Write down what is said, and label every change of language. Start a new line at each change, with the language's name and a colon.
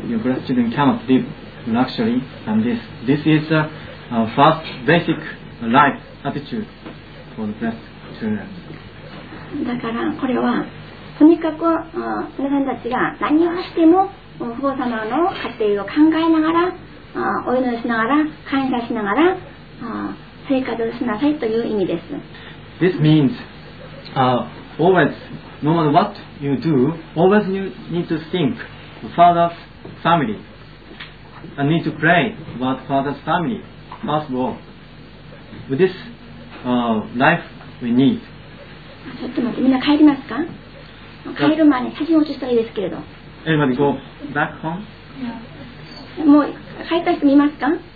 English: Your blessed children cannot live luxury than this. This is a first basic life attitude for the blessed children.
Japanese: だからこれはとにかく皆さんたちが何をしても父母様の家庭を考えながらお祈りしながら感謝しながら生活をしなさいという意味です。
English: This means always no matter what you do always you need to think father's family and need to pray about father's family first of all with this life we need。
Japanese: ちょっと待って、みんな帰りますか。帰る前に写真を写したらいいですけれど。
English: Everybody go back home?
Japanese: もう帰った人見ますか。